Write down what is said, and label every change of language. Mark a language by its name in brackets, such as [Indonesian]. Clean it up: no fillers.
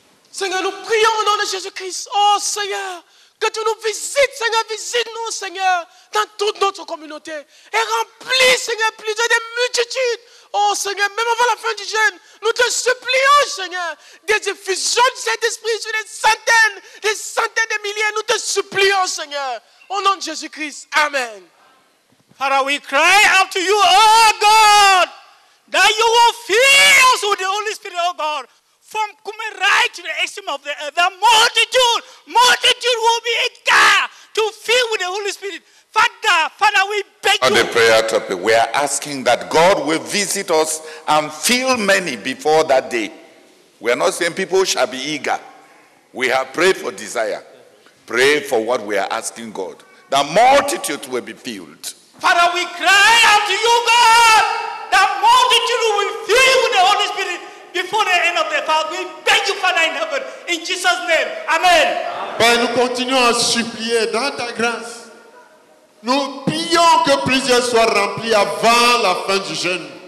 [French] Seigneur, nous prions au nom de Jésus-Christ. Oh Seigneur, que tu nous visites, Seigneur, visite-nous, Seigneur, dans toute notre communauté. Et remplis, Seigneur, plusieurs des multitudes. Oh Seigneur, même avant la fin du jeûne, nous te supplions, Seigneur, des effusions de cet esprit sur des centaines de milliers. Nous te supplions, Seigneur, au nom de Jésus-Christ. Amen. [English] Father, we cry out to you, oh God, that you will fill us with the Holy Spirit, oh God. From coming right to the extreme of the earth, the multitude will be eager to fill with the Holy Spirit. Father, we beg you. On the prayer topic, we are asking that God will visit us and fill many before that day. We are not saying people shall be eager. We have prayed for desire. Pray for what we are asking God. The multitude will be filled. Father, we cry out to you, God, the multitude will be filled with the Holy Spirit. Before the end of the fast, we beg you, Father in heaven, in Jesus' name. Amen. [French] Père, nous continuons à supplier dans ta grâce. Nous prions que plusieurs soient remplis avant la fin du jeûne.